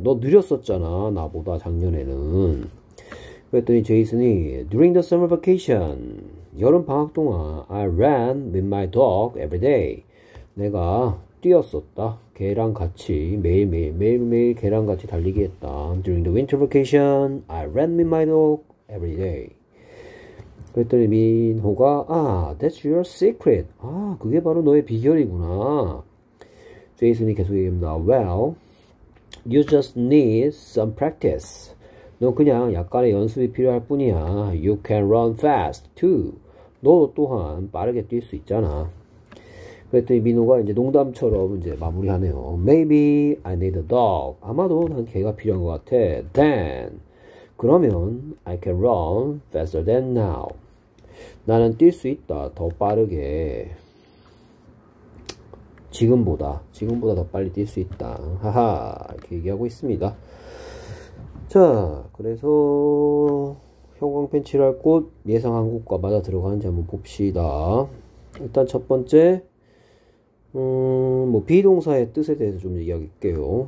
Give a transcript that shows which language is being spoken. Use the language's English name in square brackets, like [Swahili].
[Korean] 너 느렸었잖아, 나보다 작년에는. 그랬더니 제이슨이 [English] During the summer vacation, [Korean] 여름 방학 동안 [English] I ran with my dog every day. [Korean] 내가 뛰었었다. 걔랑 같이 매일매일 걔랑 같이 달리기 했다. [English] During the winter vacation, I ran with my dog every day. [Korean] 그랬더니 민호가 아, [English] that's your secret. [Korean] 아, 그게 바로 너의 비결이구나. 제이슨이 계속 얘기합니다. [English] Well, you just need some practice. [Korean] 너 그냥 약간의 연습이 필요할 뿐이야. [English] You can run fast too. [Korean] 너 또한 빠르게 뛸수 있잖아. 그랬더니 민호가 이제 농담처럼 이제 마무리하네요. [English] Maybe I need a dog. [Korean] 아마도 난 개가 필요한 것 같아. [English] Then, [Korean] 그러면 [English] I can run faster than now. [Korean] 나는 뛸수 있다. 더 빠르게. 지금보다 더 빨리 뛸수 있다. 하하, 이렇게 얘기하고 있습니다. 자, 그래서 형광펜 칠할 곳 예상한 곳과 맞아 들어가는지 한번 봅시다. 일단 첫 번째, 뭐 비동사의 뜻에 대해서 좀 이야기할게요.